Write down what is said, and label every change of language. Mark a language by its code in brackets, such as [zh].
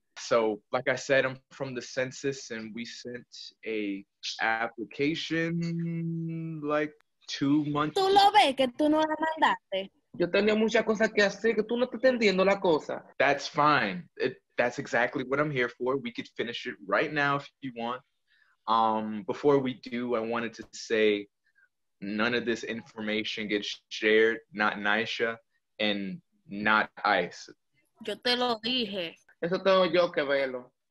[en] So, like I said, I'm from the census, and we sent a application, like, 2 months. [es] ¿Tú lo ves que tú no la mandaste? Yo tenía muchas cosas que hacer, que tú no estás entendiendo la cosa. [en] That's fine. That's exactly what I'm here for. We could finish it right now if you want. Before we do, I wanted to say none of this information gets shared, not NYSHA and not ICE. [es] Yo te lo dije. Eso tengo yo que verlo.